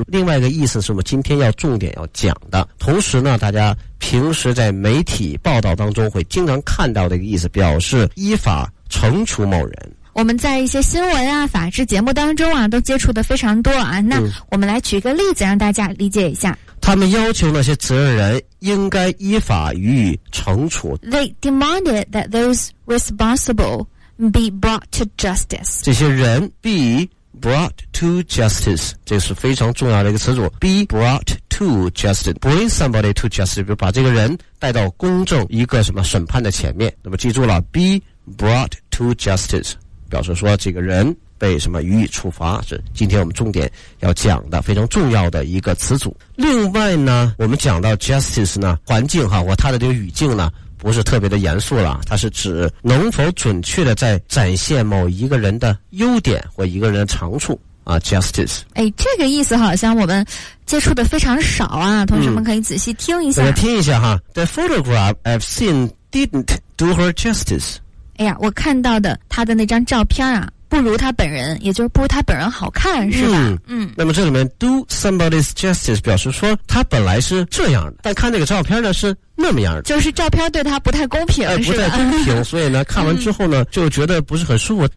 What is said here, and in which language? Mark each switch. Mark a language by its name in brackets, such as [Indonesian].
[Chinese] 另外一个意思是我们今天要重点要讲的，同时呢大家平时在媒体报道当中会经常看到的一个意思，表示依法惩处某人。我们在一些新闻啊、法制节目当中啊都接触的非常多啊。那我们来举一个例子让大家理解一下。他们要求那些责任人应该依法予以惩处。 [English] They demanded that those responsible be brought to justice. [Chinese] 这些人 [English] beBrought to justice， [Chinese] 这是非常重要的一个词组。 [English] Be brought to justice， [Chinese] bring somebody to justice， 比如把这个人带到公正一个什么审判的前面。那么记住了 ， [English] be brought to justice， [Chinese] 表示说这个人被什么予以处罚，是今天我们重点要讲的非常重要的一个词组。另外呢，我们讲到 justice 呢，环境哈或它的这个语境呢，不是特别的严肃了，它是指能否准确的在展现某一个人的优点或一个人的长处啊 ，justice。哎，这个意思好像我们接触的非常少啊，同学们可以仔细听一下。我听一下哈 [English] ，The photograph I've seen didn't do her justice。 [Chinese] 哎呀，我看到的她的那张照片啊，不如他本人，也就是不如他本人好看，是吧？那么这里面 [English] do somebody's justice [Chinese] 表示说他本来是这样的，但看那个照片呢是那么样的，就是照片对他不太公平，不太公平，所以呢看完之后呢就觉得不是很舒服。